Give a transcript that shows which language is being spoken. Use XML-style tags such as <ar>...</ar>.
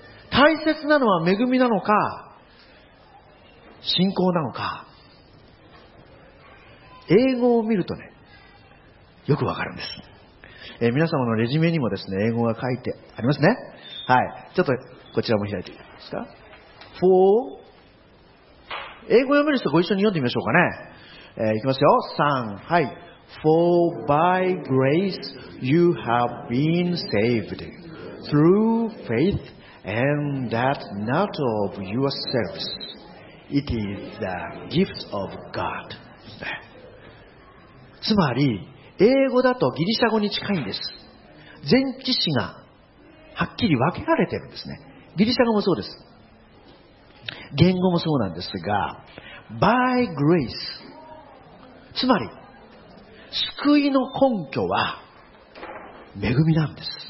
<ja>大切なのは恵みなのか信仰なのか、英語を見るとねよくわかるんです。皆様のレジュメにもですね英語が書いてありますね。はい、ちょっとこちらも開いていただけますか。 For、英語読める人ご一緒に読んでみましょうかね。いきますよ。3、はい。</ja> <en>For by grace you have been saved through faith and that not of yourselves. It is the gift of God.</en> <ja>つまり、英語だとギリシャ語に近いんです。前置詞がはっきり分けられてるんですね。ギリシャ語もそうです。言語もそうなんですが、</ja> <en>by grace、</en> <ja>つまり救いの根拠は恵みなんです。</ja>